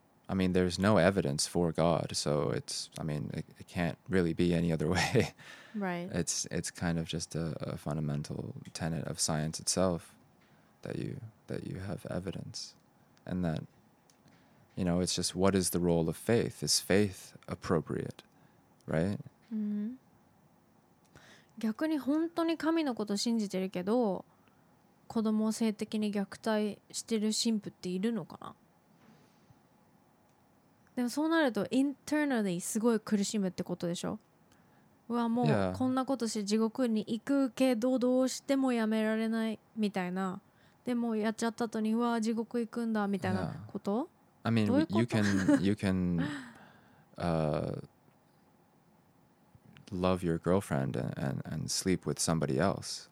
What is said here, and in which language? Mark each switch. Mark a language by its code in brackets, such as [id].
[en] I mean, there's no evidence for God, so it's, I mean, it can't really be any other way. Right. It's kind of just a fundamental tenet of science itself that you have evidence. And that, you know, it's just, what is the role of faith? Is faith appropriate? Right? Mm-hmm. [ja] 逆に本当に神のこと信じてるけど、子供を性的に虐待してる神父っているのかな？でもそうなると internally すごい苦しむってことでしょ。うわもうこんなことして地獄に行くけどどうしてもやめられないみたいな。でもやっちゃった後にうわ地獄行くんだみたいなこと。 [en] Yeah. I mean, [ja] どういうこと？ [en] You can love your girlfriend and sleep with somebody else.